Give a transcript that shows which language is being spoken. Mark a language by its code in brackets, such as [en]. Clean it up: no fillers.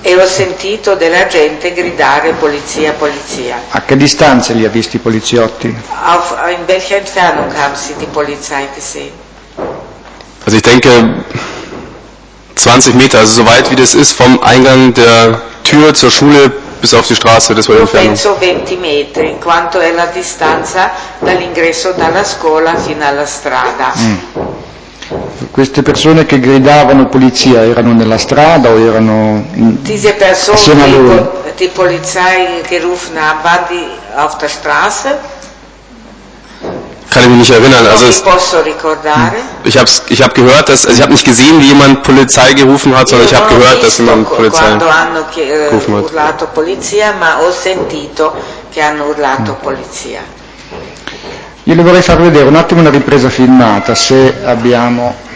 [it] E ho sentito della gente gridare Polizia, Polizia. A che distanza li ha visti i poliziotti? [de] Auf, in welcher Entfernung haben Sie die Polizei gesehen? Also ich denke 20 Meter, also so weit wie das ist vom Eingang der Tür zur Schule bis auf die Straße, das war die Entfernung. [it] Penso 20 Meter, in quanto è la distanza dall'ingresso dalla scuola fino alla strada. Mm. Queste persone che gridavano polizia erano nella strada o erano [de] diese [it] persone assieme a loro? [de] Die Polizei gerufen haben, die auf der Straße? Kann ich mich nicht erinnern. Also [it] es, posso ricordare? [de] Ich habe gehört, dass, also ich habe nicht gesehen, wie jemand Polizei gerufen hat, sondern ich habe gehört, dass jemand Polizei gerufen hat. [it] Urlato Polizia, ma ho sentito che hanno urlato Polizia. Io le vorrei far vedere un attimo una ripresa filmata, se abbiamo.